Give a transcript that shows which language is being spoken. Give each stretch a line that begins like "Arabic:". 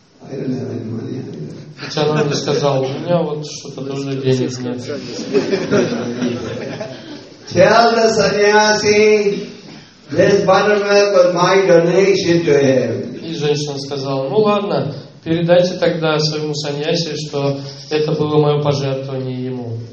Russian: Нитянанда сказал: у меня вот что-то тоже денег нет.
English: Tell the sannyasi, this butter milk was my donation to him.
Russian: И женщина сказала, ну ладно, передайте тогда своему саньяси, что это было мое пожертвование ему.